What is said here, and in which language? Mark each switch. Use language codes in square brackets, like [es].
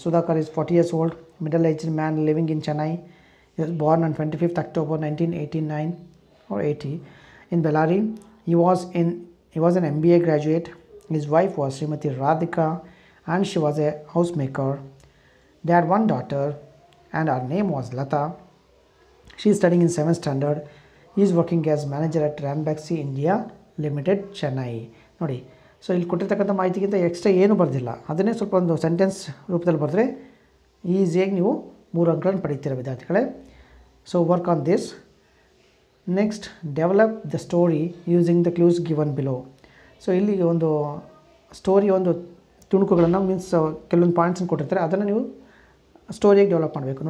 [en] Sudhakar is 40 years old, middle aged man living in Chennai, is born on 25th October 1989 or 80 in Bellary. He was an MBA graduate. His wife was Shrimati Radhika and she was a house maker. They had one daughter and our name was Lata. She is studying in 7th standard. He is working as manager at Rambaxi India Limited, Chennai. [kn] ನೋಡಿ so ಇಲ್ಲಿ ಕೊಟ್ಟಿರ್ತಕ್ಕಂಥ ಮಾಹಿತಿಗಿಂತ extra ಏನು ಬರೆದಿಲ್ಲ, ಅದನ್ನೇ ಸ್ವಲ್ಪ ಒಂದು sentence ರೂಪದಲ್ಲಿ ಬರೆದ್ರೆ ಈಸಿಯಾಗಿ ನೀವು 3 ಅಂಕಗಳನ್ನು ಪಡೀತೀರ ವಿದ್ಯಾರ್ಥಿಗಳೇ. [en] So work on this. Next, develop the story using the clues given below. [kn] So ಇಲ್ಲಿ ಒಂದು ಸ್ಟೋರಿ ಒಂದು ತುಣುಕುಗಳನ್ನು ಮೀನ್ಸ್ ಕೆಲವೊಂದು ಪಾಯಿಂಟ್ಸನ್ನು ಕೊಟ್ಟಿರ್ತಾರೆ, ಅದನ್ನು ನೀವು ಸ್ಟೋರಿಯಾಗಿ ಡೆವಲಪ್ ಮಾಡಬೇಕು.